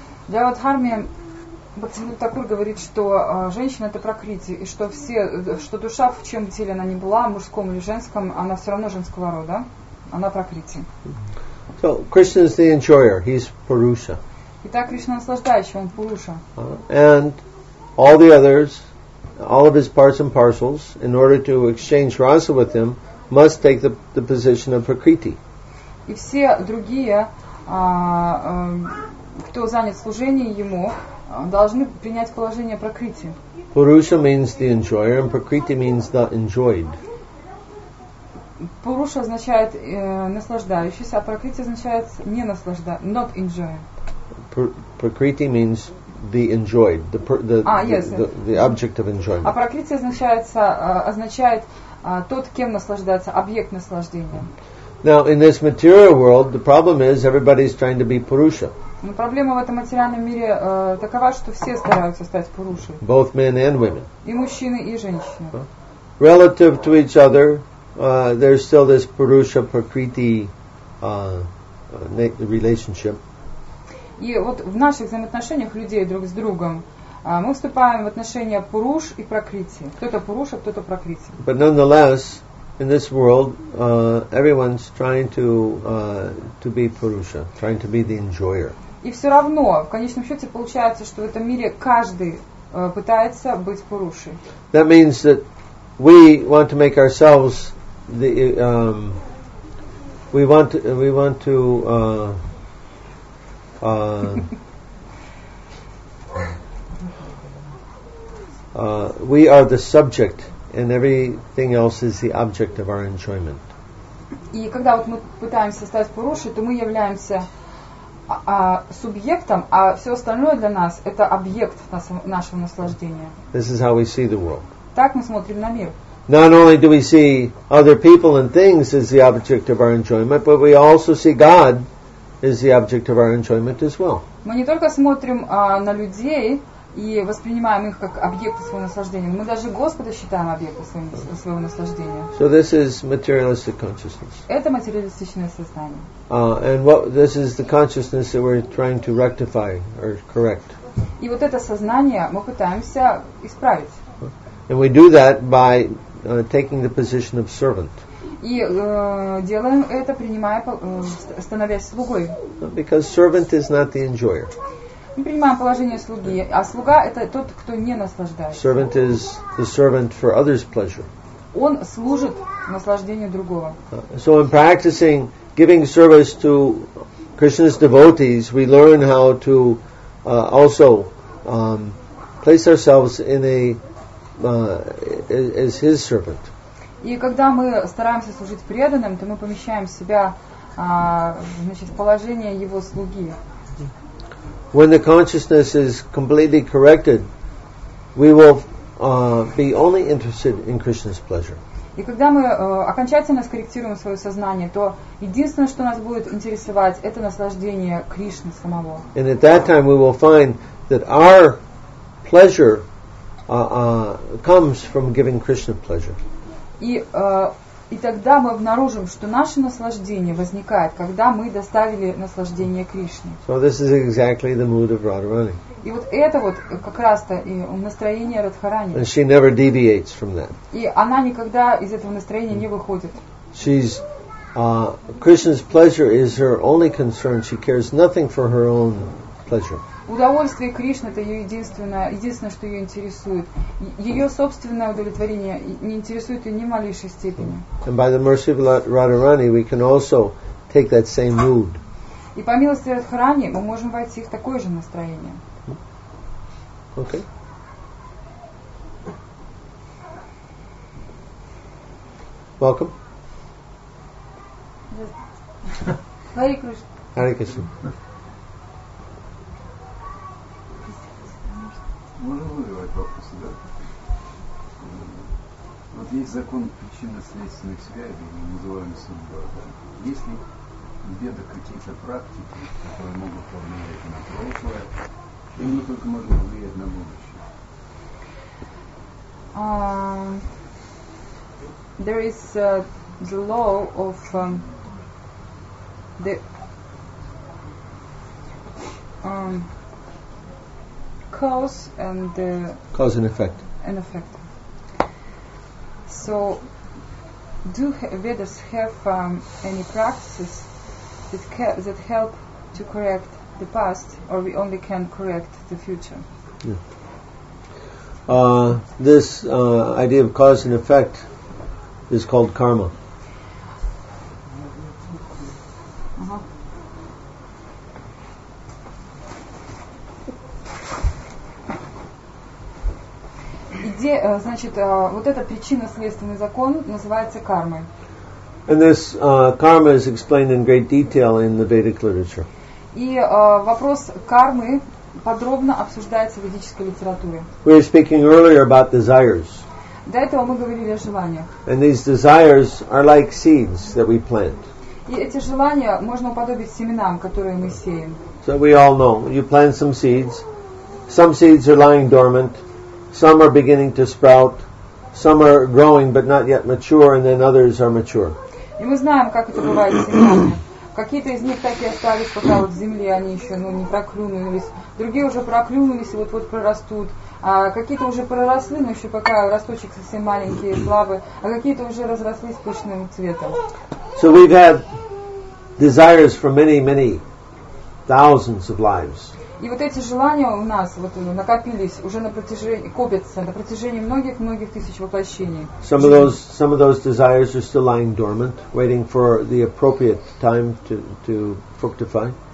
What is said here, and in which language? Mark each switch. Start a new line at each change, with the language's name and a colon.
Russian: Джава Дхарме Бхактивинода Такур говорит, что женщина это прокрытие, и что все, что душа, в чем теле она ни была, мужском или женском, она все равно женского рода, она прокрытие.
English: So Krishna is the enjoyer, he's Purusha.
Russian: Итак, Кришна наслаждающий, он Пуруша.
English: And all the others, all of his parts and parcels, in order to exchange rasa with him, must take the position of prakriti.
Russian: И все другие кто занят служением ему, должны принять положение прокрити.
English: Purusha means the enjoyer, and prakriti means the enjoyed.
Russian: Purusha означает наслаждающийся, а прокрити означает не наслаждающийся,
English: not enjoying. Prakriti means the enjoyed, the object of enjoyment.
Russian: А прокрити означает тот, кем наслаждается, объект наслаждения.
English: Now, in this material world, the problem is everybody is trying to be Purusha.
Russian: Но проблема в этом материальном мире такова, что все стараются стать Пурушей.
English: Both men and women.
Russian: И мужчины, и женщины.
English: Relative to each other, there's still this Purusha-Prakriti relationship.
Russian: И вот в наших взаимоотношениях людей друг с другом мы вступаем в отношения Пуруш и Прокрити. Кто-то Пуруша, кто-то Прокрити.
English: But nonetheless, in this world, everyone's trying to be Purusha, trying to be the enjoyer.
Russian: И все равно, в конечном счете, получается, что в этом мире каждый пытается быть Пурушей.
English: That means that we want to make ourselves the we are the subject. And everything else is the object of our enjoyment.
Russian: И когда вот мы пытаемся стать Пуруши, то мы являемся субъектом, а все остальное для нас это объект нашего наслаждения.
English: This is how we see the world.
Russian: Так мы смотрим на мир.
English: Not only do we see other people and things as the object of our enjoyment, but we also see God as the object of our enjoyment as well.
Russian: Мы не только смотрим на людей и воспринимаем их как объекты своего наслаждения. Мы даже Господа считаем объектом своего наслаждения.
English: So this is materialistic consciousness.
Russian: Это материалистичное сознание.
English: And what this is the consciousness that we're trying to rectify or correct.
Russian: И вот это сознание мы пытаемся исправить.
English: And we do that by taking the position of servant.
Russian: И делаем это, принимая, становясь слугой.
English: Because servant is not the enjoyer.
Russian: Мы принимаем положение слуги, а слуга это тот, кто не наслаждается.
English: Servant is the servant for others' pleasure.
Russian: Он служит наслаждению другого.
English: So in practicing giving service to Krishna's devotees, we learn how to also place ourselves in a as his servant.
Russian: И когда мы стараемся служить преданным, то мы помещаем себя в положение его слуги.
English: When the consciousness is completely corrected, we will be only interested in Krishna's pleasure.
Russian: И когда мы окончательно скорректируем свое сознание, то единственное, что нас будет интересовать, это наслаждение Кришны самого.
English: And at that time, we will find that our pleasure comes from giving Krishna pleasure.
Russian: И тогда мы обнаружим, что наше наслаждение возникает, когда мы доставили наслаждение Кришне.
English: So this is exactly the mood of Radharani.
Russian: И вот это вот как раз-то и настроение Радхарани.
English: And she never deviates from that.
Russian: И она никогда из этого настроения не выходит.
English: She's Krishna's pleasure is her only concern. She cares nothing for her own pleasure.
Russian: Удовольствие Кришны — это ее единственное, что ее интересует. Ее собственное удовлетворение не интересует ее ни в малейшей степени.
English: And by the mercy of Radharani, we can also take that same mood.
Russian: И по милости Радхарани мы можем войти в такое же настроение.
English: Okay. Welcome. Hare Krishna. Hare Krishna.
Russian: Можно вызывать вопросы, да? Вот есть закон причинно-следственных связей, мы называем судьба, да? Есть ли где-то какие-то практики, которые могут повлиять на прошлое, и мы только можем влиять на будущее?
English: There is the law of the cause and cause and effect. And effect. So, do Vedas have any practices that that help to correct the past, or we only can correct the future? Yeah. This idea of cause and effect is called karma.
Russian: Значит, вот эта причинно-следственный закон называется кармой.
English: And this karma is explained in great detail in the Vedic literature.
Russian: И вопрос кармы подробно обсуждается в ведической литературе.
English: We were speaking earlier about desires.
Russian: До этого мы говорили о желаниях.
English: And these desires are like seeds that we plant.
Russian: И эти желания можно уподобить семенам, которые мы сеем.
English: So we all know, you plant some seeds. Some seeds are lying dormant. Some are beginning to sprout, some are growing but not yet mature, and then others are mature.
Russian: И мы знаем, как это бывает с семенами. Какие-то из них так и остались пока вот в земле, они еще не проклюнулись. Другие уже проклюнулись и вот-вот прорастут. А какие-то уже проросли, но еще пока росточек совсем маленький и слабый. А какие-то уже разрослись пышным цветом.
English: So we've had desires for many, many thousands of lives.
Russian: И вот эти желания у нас вот накопились уже на протяжении, копятся на протяжении многих-многих тысяч воплощений.
English: Some of those desires are still lying dormant, waiting for the appropriate time to fructify.